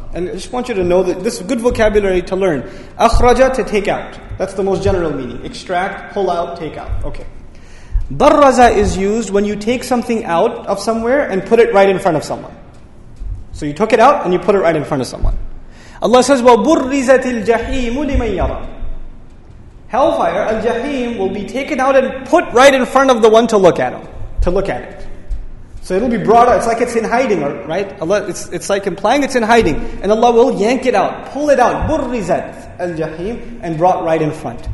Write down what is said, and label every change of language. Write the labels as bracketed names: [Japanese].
[English] And I just want you to know that this is good vocabulary to learn. Akhraja, to take out. That's the most general meaning. Extract, pull out, take out. Okay. Barraza is used when you take something out of somewhere and put it right in front of someone. So you took it out and you put it right in front of someone. Allah says, [Arabic] وَبُرِّزَتِ الْجَحِيمُ لِمَنْ يَرَى. [English] Hellfire, al-jahim, will be taken out and put right in front of the one to look at him, to look at it. So it'll be brought out, it's like it's in hiding, right? Allah, it's like implying it's in hiding. And Allah will yank it out, pull it out, [Arabic] بُرِّزَتْ الْجَحِيمُ, [English] and brought right in front.